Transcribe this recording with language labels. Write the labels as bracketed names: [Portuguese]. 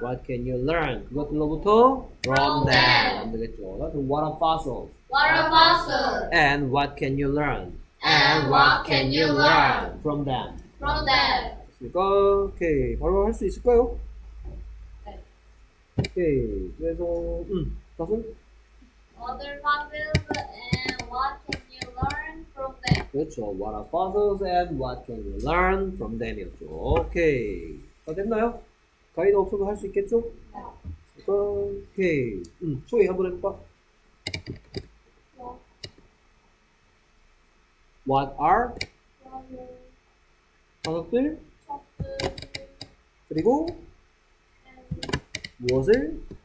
[English] What can you learn? [Korean] 그것들로부터? [English] From them. [Korean] 안 되겠죠. [English] What are fossils? What are fossils? And what can you learn? And what can you learn? From them. From them. [Korean] 그러니까, 오케이. 바로 할 수 있을까요? 네. 오케이. 그래서 다솜? [English] Other fossils and what can you learn from them? [Korean] 그렇죠. [English] What are fossils and what can you learn from them? [Korean] 이었죠. 오케이. 다 됐나요? 가이드 없어도 할 수 있겠죠? 네. 오케이. 소개 한번 해볼까? [English] What are? [Korean] 가족들? 그리고? 무엇을?